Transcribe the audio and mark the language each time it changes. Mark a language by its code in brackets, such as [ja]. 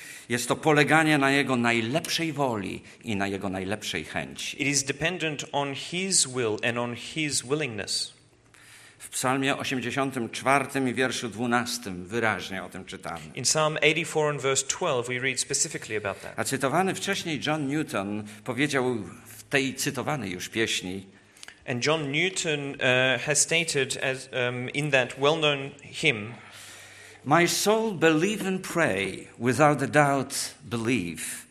[pl] Jest to poleganie na jego najlepszej woli i na jego najlepszej chęci. [en] It is dependent on his will and on his willingness. [pl] W Psalmie 84 i wierszu 12 wyraźnie o tym czytamy. [en] In Psalm 84 and verse 12 we read specifically about that. [pl] A cytowany wcześniej John Newton powiedział w tej cytowanej już pieśni. [en] And John Newton has stated as in that well-known hymn, "My soul believe and pray, without a doubt believe.